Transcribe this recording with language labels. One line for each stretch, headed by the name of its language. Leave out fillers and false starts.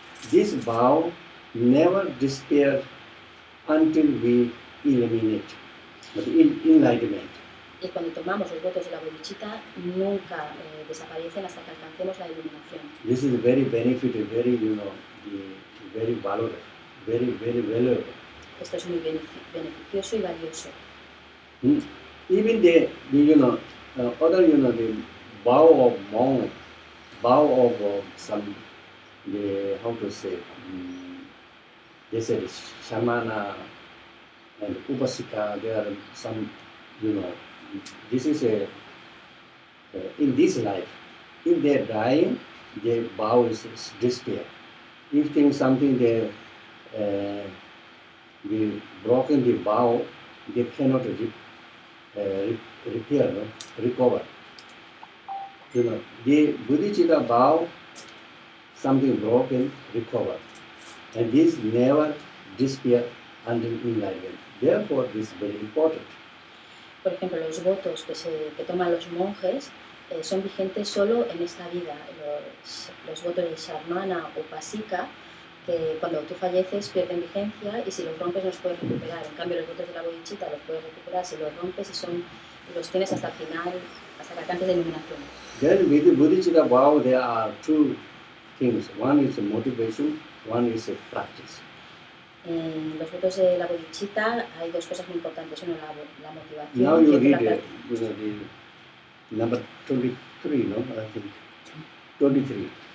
English: This bow never disappear until we eliminate. Enlightenment.
Spanish: Y cuando tomamos los votos de la bodhicitta, nunca desaparecen hasta que alcancemos la iluminación.
English: This is very benefit, very, you know, very valuable, very, very valuable.
Spanish: Esto es muy beneficioso y valioso.
English: Even the you know, other, you know, the bow of monk, bow of some, the, how to say, they say shamana, and upasika, there are some, you know, this is a, in this life, if they are dying, their bow is disappear. If things, something they be broken the bow, they cannot repair, no? Recover. You know, the bodhicitta bow, something broken, recover. And this never disappear until enlightenment. Therefore, this is very important.
Spanish: Por ejemplo, los votos que toman los monjes son vigentes solo en esta vida. Los votos de Sharmana o Pasika, que cuando tú falleces pierden vigencia y si los rompes los puedes recuperar. En cambio, los votos de la bodhicitta los puedes recuperar si los rompes los tienes hasta el final, hasta que alcances la iluminación.
English: Then with the bodhicitta vow, there are two things. One is a motivation, one is a practice.
Spanish: En los votos de la bodhicitta hay dos cosas muy importantes. Uno, la motivación.
English: Now you read the number 23, no? I think. 23.